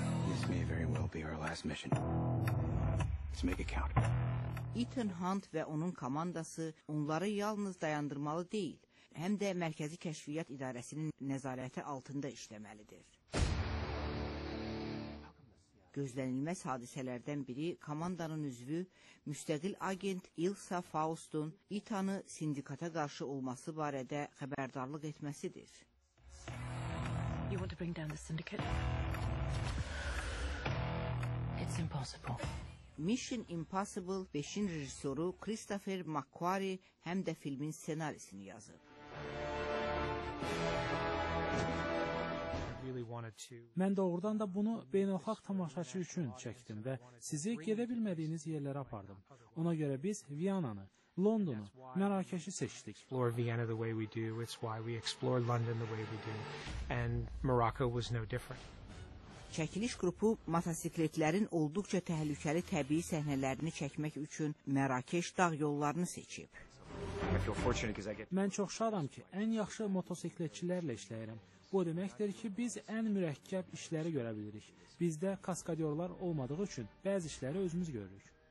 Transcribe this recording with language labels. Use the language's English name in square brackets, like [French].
[English] This may very well be our last mission. Let's make it count. [Azerbaijani] Ethan Hunt və onun komandası onları yalnız dayandırmalı deyil, həm də Mərkəzi Kəşfiyyat İdarəsinin nəzarəti altında işləməlidir. Gözlənilməz hadisələrdən biri komandanın üzvü, müstəqil agent Ilsa Faust'un Ethan'ı sindikata qarşı olması barədə xəbərdarlıq etməsidir. [English] You want to bring down the syndicate? It's impossible. [Azerbaijani] Mission Impossible 5-in rejissoru Christopher McQuarrie həm də filmin ssenarisini yazıb. Mən doğrudan da bunu beynəlxalq tamaşaçı üçün çəkdim və sizi gedə bilmədiyiniz yerlərə apardım. Ona görə biz Viyananı, Londonu, Mərakeşi seçdik. [English] Explore Vienna the way we do, it's why we explore London the way we do. And Morocco was no different. [Azerbaijani] Çəkiliş qrupu motosikletlərin olduqca təhlükəli təbii səhnələrini çəkmək üçün Mərakeş dağ yollarını seçib. Mən çox şadam ki, ən yaxşı motosikletçilərlə işləyirəm. Bu deməkdir ki, biz ən mürəkkəb işləri görə bilirik. Bizdə kaskadyorlar olmadığı üçün bəzi işləri özümüz görürük.